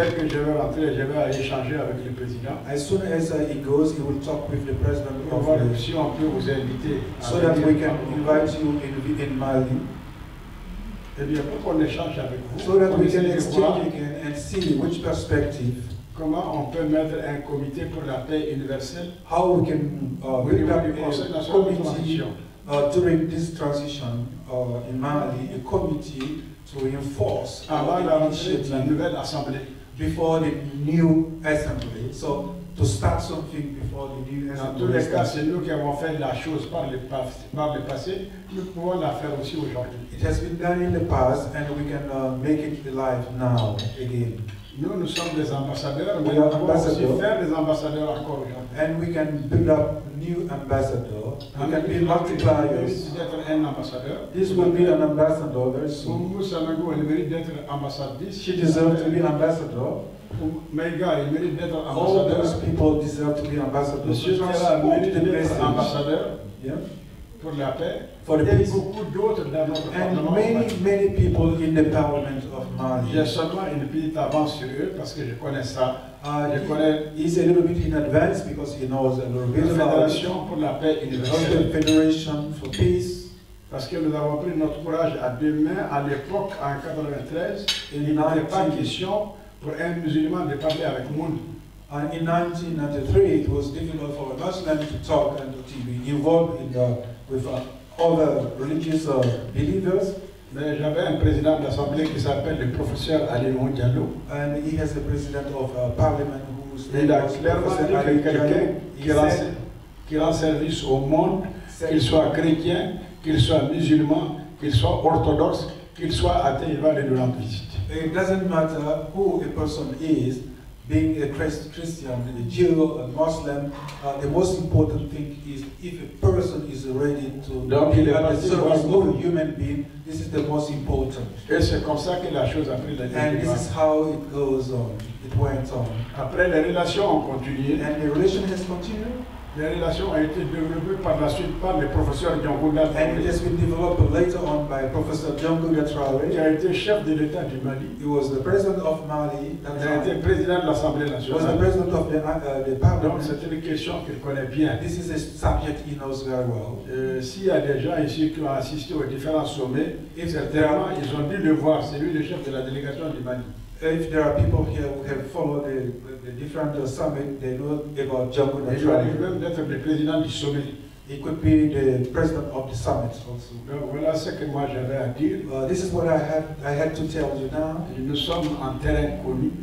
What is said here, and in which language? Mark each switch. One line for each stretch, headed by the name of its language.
French: Dès que je vais rentrer, je vais échanger avec le président.
English: As soon as he goes, he will talk with the president.
French: Si on peut vous inviter,
English: so that we can invite you in Mali.
French: Eh bien, pour qu'on échange avec vous,
English: so that we can exchange again and see which perspective.
French: Comment on peut mettre un comité pour la paix universelle?
English: How we can bring up a committee during this transition in Mali, a committee to reinforce
French: la nouvelle assemblée
English: before the new assembly. So to start something before the new assembly.
French: Dans tous les cas, c'est nous qui avons fait la chose par le passé. Nous pouvons la faire aussi aujourd'hui.
English: It has been done in the past, and we can make it alive now again.
French: Nous sommes des ambassadeurs, mais nous pouvons aussi faire des ambassadeurs encore.
English: And we can build up new ambassador. We can be multipliers.
French: D'être un ambassadeur.
English: This will be an ambassador very soon.
French: Moussa Mago, elle mérite d'être ambassadrice.
English: She deserves to be ambassador.
French: Meiga, elle mérite d'être ambassadeur.
English: All those people deserve to be ambassadors.
French: Monsieur Mansa mérite d'être ambassadeur.
English: Yeah.
French: Pour la paix.
English: For the peace.
French: Beaucoup d'autres dans notre
English: and many, many people in the parliament of Mali.
French: J'ai seulement une petite avance sur eux parce que je connais ça.
English: He's a little bit in advance because he knows a little bit.
French: La Fédération pour la paix universelle.
English: Federation for Peace.
French: Parce que nous avons pris notre courage à deux mains à l'époque, en 1993. Il n'y avait pas question pour un musulman de parler avec Moon.
English: And in 1993, it was difficult for a Muslim to talk and to be involved with other religious believers.
French: Mais j'avais un président de l'Assemblée qui s'appelle le professeur Alimou Diallo.
English: And he has a president of parliament who was named Professor Alimou Diallo.
French: Qui rend service au monde, qu'il soit chrétien, qu'il soit musulman, qu'il soit orthodoxe, qu'il soit athée, il va aller nous rendre visite.
English: It doesn't matter who a person is, being a Christian, a Jew, a Muslim, the most important thing is if a person is ready to donc, be a service of a human being, this is the most important.
French: Et c'est comme ça que la chose a pris la décision.
English: And this is how it goes on, it went on.
French: Après, les relations ont continué.
English: And the relation has continued.
French: Les relations ont été développées par la suite par le professeur Diongouga Traoré.
English: And it has been developed later on by Professor Diongouga Traoré,
French: qui a été chef de l'État du Mali.
English: He was the president of Mali.
French: Il a été président de l'Assemblée nationale.
English: Was the president of the Parliament.
French: Donc c'est une question qu'il connaît bien.
English: This is a subject he knows very well.
French: S'il y a des gens ici qui ont assisté aux différents sommets, et certainement ils ont dû le voir, c'est lui le chef de la délégation du Mali.
English: If there are people here who have followed the different summit, they know about Diongouga Traoré. The president
French: du sommet.
English: He could be the president of the summit also.
French: Voilà ce que moi j'avais à dire.
English: This is what I had to tell you now.
French: Nous sommes en terrain connu.